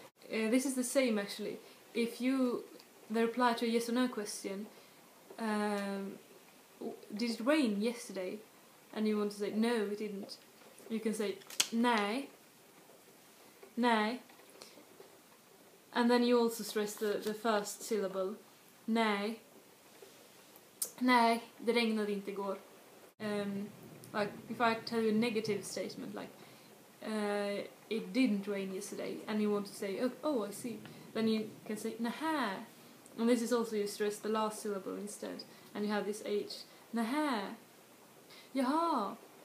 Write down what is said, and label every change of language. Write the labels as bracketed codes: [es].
[en] This is the same actually. If you, the reply to a yes or no question, did it rain yesterday? And you want to say no, it didn't. You can say nej. Nej. And then you also stress the first syllable. [sv] Nej. Nej, det regnade inte igår. [en] Like if I tell you a negative statement, like it didn't rain yesterday, and you want to say oh I see, then you can say naha. And this is also you stress the last syllable instead, and you have this H. Naha. Jaha.